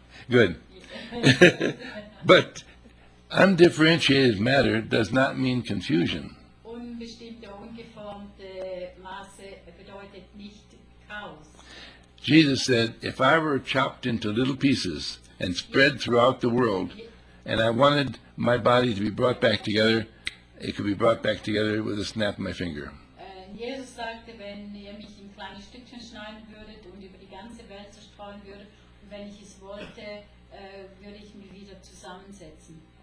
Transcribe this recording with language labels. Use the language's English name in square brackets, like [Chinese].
[English] Good. But undifferentiated matter does not mean confusion. [German] Unbestimmte, ungeformte Masse bedeutet nicht Chaos. [English] Jesus said, if I were chopped into little pieces and spread throughout the world, and I wanted my body to be brought back together, it could be brought back together with a snap of my finger. [German] Jesus sagte, wenn ihr mich in kleine Stückchen schneiden würdet und über die ganze Welt zerstreuen würdet, und wenn ich es wollte, würde ich mich wieder zusammensetzen.